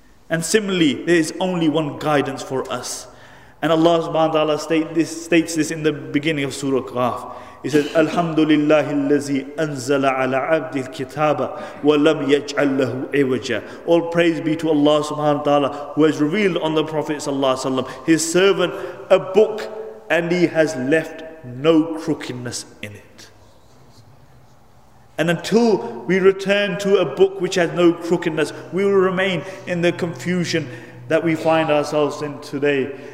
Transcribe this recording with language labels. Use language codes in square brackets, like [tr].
[en] And similarly, there is only one guidance for us. And Allah subhanahu wa ta'ala states this in the beginning of Surah Qaf. He says, [ar] Alhamdulillah الذي أنزل على عبد الكتاب ولم يجعل له عوجا. [en] All praise be to Allah subhanahu wa ta'ala, who has revealed on the Prophet sallallahu alaihi wasallam, his servant, a book, and he has left no crookedness in it. And until we return to a book which has no crookedness, we will remain in the confusion that we find ourselves in today.